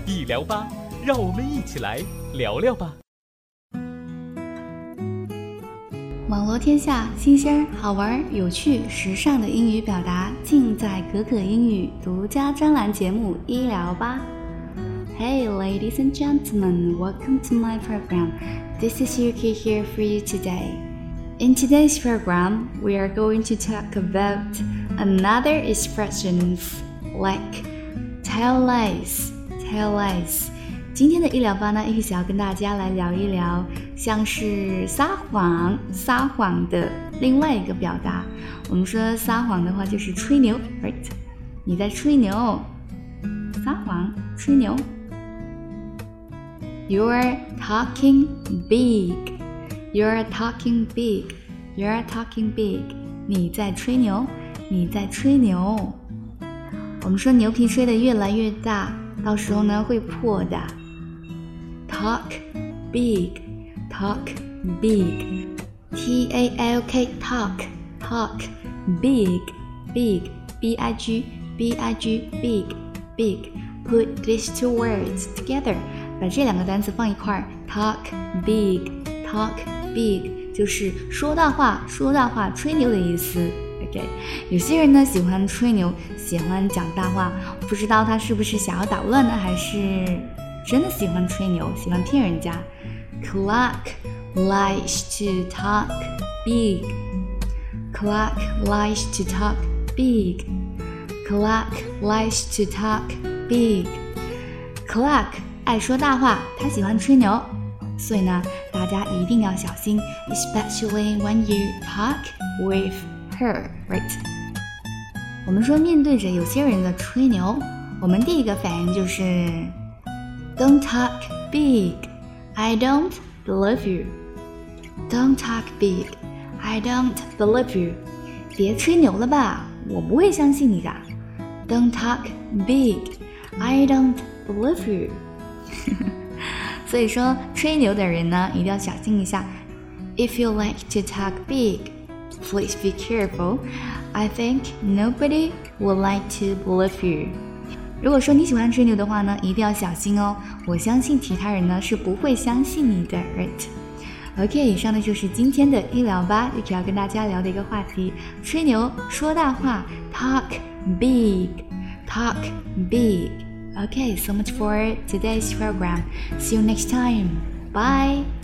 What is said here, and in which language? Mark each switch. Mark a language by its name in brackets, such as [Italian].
[Chinese] 医疗吧，让我们一起来聊聊吧。网罗天下新鲜好玩有趣时尚的英语表达，尽在可可英语独家专栏节目医疗吧。 [English] Hey ladies and gentlemen, welcome to my program. This is Yuki here for you today. In today's program, we are going to talk about another expression like tell lies, tell lies. [Chinese] 今天的医疗吧呢，一起要跟大家来聊一聊像是撒谎，撒谎的另外一个表达。我们说撒谎的话就是吹牛， right? 你在吹牛，撒谎，吹牛。 [English] You're talking big. You're talking big. You're talking big. [Chinese] 你在吹牛，你在吹牛。我们说牛皮吹得越来越大，到时候呢会破的。 [English] Talk big, talk big. T-A-L-K, talk, talk, big, big, B-I-G, B-I-G, big, big. Put these two words together. [Chinese] 把这两个单词放一块 [English] talk big, talk big, [Chinese] 就是说大话，说大话，吹牛的意思。 OK, 有些人呢喜欢吹牛，喜欢讲大话，不知道他是不是想要捣乱呢，还是真的喜欢吹牛，喜欢骗人家。 [English] Clark likes to talk big. Clark likes to talk big. Clark likes to talk big. Clark. [Chinese] 爱说大话，他喜欢吹牛，所以呢，大家一定要小心 ， [English] especially when you talk with her, right? [Chinese] 我们说面对着有些人的吹牛，我们第一个反应就是 ， [English] Don't talk big, I don't believe you. Don't talk big, I don't believe you. [Chinese] 别吹牛了吧，我不会相信你的。 [English] Don't talk big, I don't believe you. [Chinese] 所以说吹牛的人呢一定要小心一下。 [English] If you like to talk big, please be careful. I think nobody would like to believe you. [Chinese] 如果说你喜欢吹牛的话呢一定要小心哦，我相信其他人呢是不会相信你的， right? OK, 以上呢就是今天的医疗吧，一起要跟大家聊的一个话题，吹牛，说大话， [English] talk big, talk big. Okay, so much for today's program. See you next time. Bye!